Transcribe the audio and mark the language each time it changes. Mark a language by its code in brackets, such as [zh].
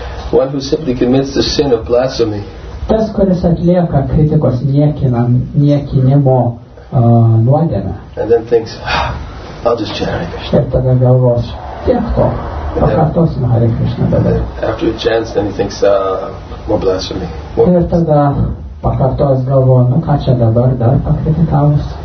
[en] One who simply commits the sin of blasphemy. [lt] Tas, kuris atlieka kritikos niekinimo nuodėmę. [en] And then thinks, I'll just chant Hare Krishna. [lt] Ir tada galvos, tiek to, pakartosime Hare Krishna. [en] After it chants, then he thinks, more blasphemy. More. [lt] Ir tada pakartos galvo, nu ką čia dabar, dar pakritikavus.